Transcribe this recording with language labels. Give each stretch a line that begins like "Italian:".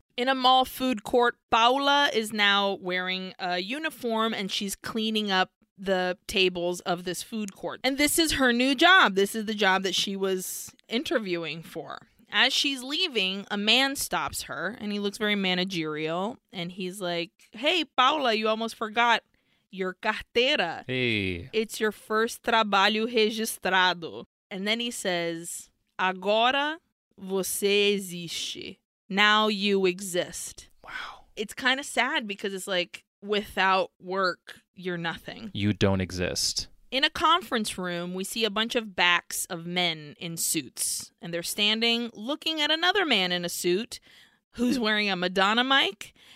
English: In a mall food court, Paula is now wearing a uniform and she's cleaning up the tables of this food court. And this is her new job. This is the job that she was interviewing for. As she's leaving, a man stops her and he looks very managerial. And he's like, hey, Paula, you almost forgot your carteira. Hey. It's your first trabalho registrado. And then he says,
Portuguese: agora você existe.
English: Now you exist. Wow. It's kind of sad because it's like, without work, you're nothing. You don't exist. In a conference room, we see a bunch of backs of men in suits. And they're standing looking at another man in a suit who's wearing a Madonna mic.